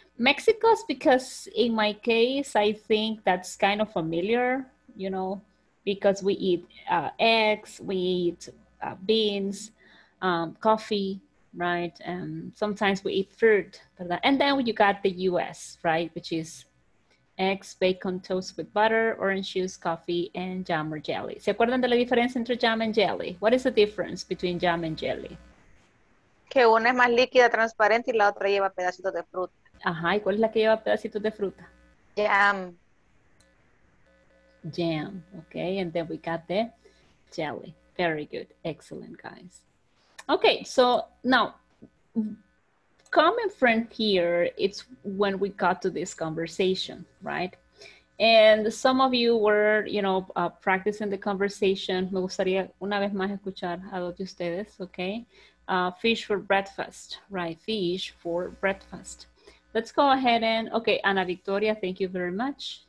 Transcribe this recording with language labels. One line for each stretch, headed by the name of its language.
English: Mexico's, because in my case, I think that's kind of familiar, you know, because we eat eggs, we eat beans, coffee, right? And sometimes we eat fruit. And then you got the U.S., right, which is eggs, bacon, toast with butter, orange juice, coffee, and jam or jelly.
Spanish: ¿Se acuerdan de la diferencia entre
English: jam and jelly? What is the difference between jam and jelly?
Spanish: Que una es más líquida, transparente, y la otra lleva pedacitos de fruta. Ajá, ¿y cuál es la que lleva pedacitos de fruta?
English: Jam. Jam, okay, and then we got the jelly. Very good, excellent, guys. Okay, so now, coming from here, it's when we got to this conversation, right? And some of you were, you know, practicing the conversation.
Spanish: Me gustaría una vez más escuchar a los de ustedes, okay?
English: Fish for breakfast, right? Fish for breakfast. Let's go ahead and, okay, Ana Victoria, thank you very much.